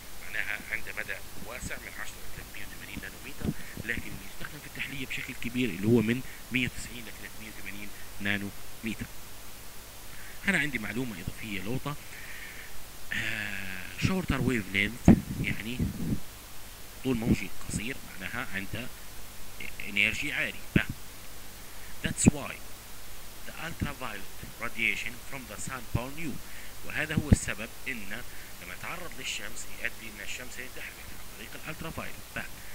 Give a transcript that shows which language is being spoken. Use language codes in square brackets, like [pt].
[ar] معناها عند مدى واسع من 10 ل 380 نانومتر، لكن يستخدم في التحليليه بشكل كبير اللي هو من 190 ل 380 نانومتر. هنا عندي معلومه اضافيه لوطة. شورتر ويف لينث يعني طول موجي قصير، معناها عند انرجي عالي. [en] That's why the ultraviolet radiation from the sun burn you. [ar] وهذا هو السبب ان لما تعرض للشمس يؤدي ان الشمس تحرق عن طريق الالترافايلوت.